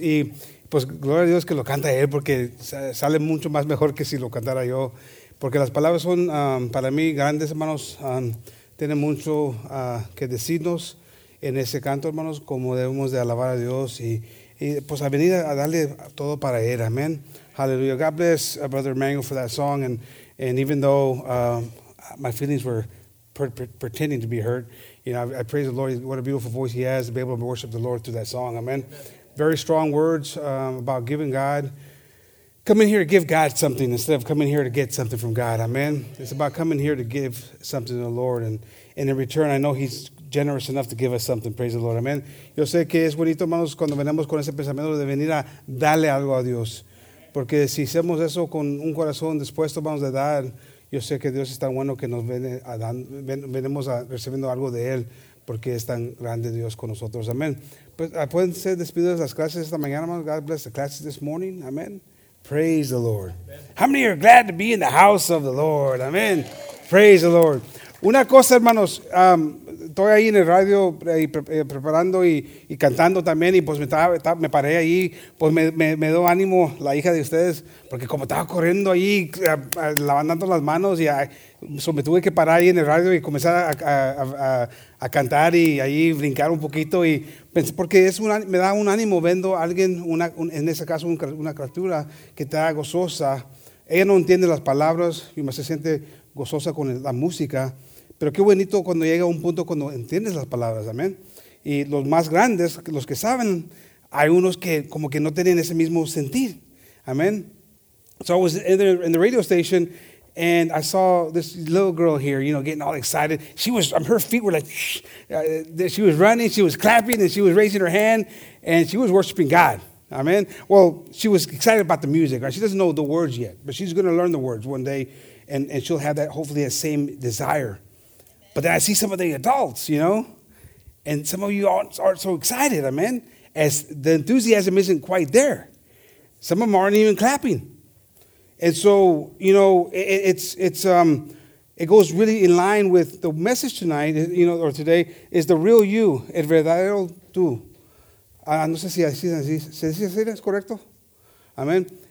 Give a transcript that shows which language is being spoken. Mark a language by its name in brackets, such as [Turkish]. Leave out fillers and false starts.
[Spanish] Y pues, gloria a Dios que lo canta él, porque sale mucho más mejor que si lo cantara yo. Porque las palabras son, para mí, grandes, hermanos. Tiene mucho que decirnos en ese canto, hermanos, como debemos de alabar a Dios y pues a venir a darle todo para él. [English] Amen. Hallelujah. God bless Brother Emmanuel for that song. And even though my feelings were pretending to be hurt, you know, I praise the Lord. What a beautiful voice he has to be able to worship the Lord through that song. Amen. Very strong words about giving God. Come in here to give God something instead of coming here to get something from God. Amen. It's about coming here to give something to the Lord. And in return, I know he's generous enough to give us something. Praise the Lord. Amen. [Spanish] Yo sé que es bonito, hermanos, cuando venimos con ese pensamiento de venir a darle algo a Dios. Porque si hacemos eso con un corazón dispuesto, vamos a dar. Yo sé que Dios es tan bueno que nos viene a dar, venimos a recibiendo algo de él. Porque es tan grande Dios con nosotros. Amen. Pues, pueden ser despedidas las clases esta mañana, hermanos. [English] God bless the classes this morning. Amen. Praise the Lord. How many are glad to be in the house of the Lord? Amen. Praise the Lord. [Spanish] Una cosa, hermanos, estoy ahí en el radio preparando y cantando también, y pues me paré ahí, pues me dio ánimo la hija de ustedes, porque como estaba corriendo ahí, lavando las manos, y me tuve que parar ahí en el radio y comenzar a cantar y ahí brincar un poquito, y pensé, porque es una, me da un ánimo viendo a alguien, en ese caso una criatura que está gozosa. Ella no entiende las palabras y más se siente gozosa con la música, pero qué bonito cuando llega un punto cuando entiendes las palabras, amén. Y los más grandes, los que saben, hay unos que como que no tienen ese mismo sentir, amén. [English] So I was in the radio station and I saw this little girl here, you know, getting all excited. She was, her feet were like, she was running, she was clapping and she was raising her hand and she was worshiping God. Amen. Well, she was excited about the music, right? She doesn't know the words yet, but she's going to learn the words one day, and she'll have that, hopefully, that same desire. But then I see some of the adults, you know, and some of you aren't so excited, amen, as the enthusiasm isn't quite there. Some of them aren't even clapping. And so, you know, it goes really in line with the message tonight, you know, or today, is the real you, [Spanish] el verdadero tú. No sé si así se dice, así es correcto. Amén.